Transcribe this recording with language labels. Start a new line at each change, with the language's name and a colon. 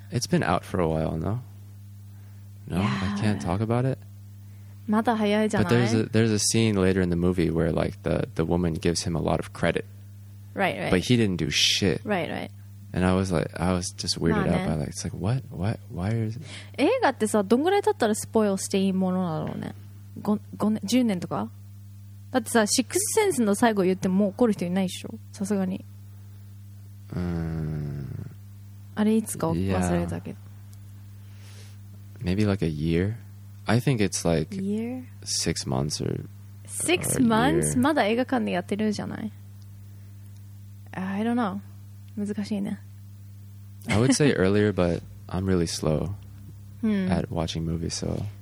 English: It's been out for a while, no. No, yeah. I can't talk about it.
Japanese: まだ早いじゃない?
English: But there's a scene later in the movie where like the woman gives him a lot of credit. Right, right. But he didn't do shit. Right, right. And I was like, I was just weirded out by like, it's like, what? What? Why is it?
Japanese: 映画ってさ、どんぐらい経ったらスポイルしていいものなのね?10年とか? だってさ、Sixth Sense の最後言っても怒る人いないでしょ?さすがに。あれいつか忘れたけど。
English: Maybe like a year? I think it's like year? 6 months or 6 months? Year.
Japanese: まだ映画館でやってるじゃない?
English: I don't know.
Japanese: 難しいね.
English: I would say earlier, but I'm really slow at watching movies, so.